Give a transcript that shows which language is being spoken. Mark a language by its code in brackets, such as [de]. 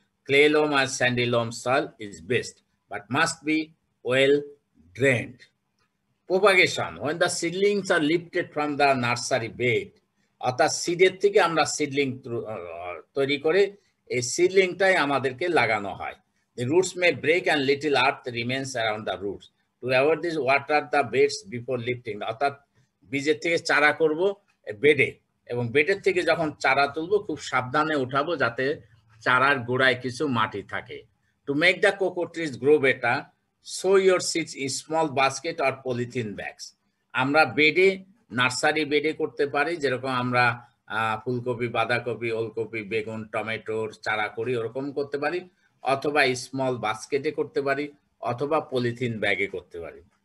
[en] Clay loam আর sandy loam soil is best but must be well drained. Propagation, when the seedlings are lifted from the nursery bed, [bn] অর্থাৎ সিডের থেকে আমরা seedling তৈরি করে এই সিডলিংটাই আমাদেরকে লাগানো হয়। [en] The roots may break and little earth remains around the roots. To avoid this, water the beds before lifting. [bn] অর্থাৎ বীজের থেকে চারা করব বেডে, এবং বেডের থেকে যখন চারা তুলব খুব সাবধানে উঠাবো যাতে চারার গোড়ায় কিছু মাটি থাকে। [en] To make the coco trees grow better, sow your seeds in small basket or polythene bags. [bn] আমরা বেডে, নার্সারি বেডে করতে পারি, যেরকম আমরা ফুলকপি, বাঁধাকপি, ওলকপি, বেগুন, টমেটোর চারা করি ওরকম করতে পারি, অথবা স্মল বাস্কেটে করতে পারি, অথবা পলিথিন ব্যাগে করতে পারি।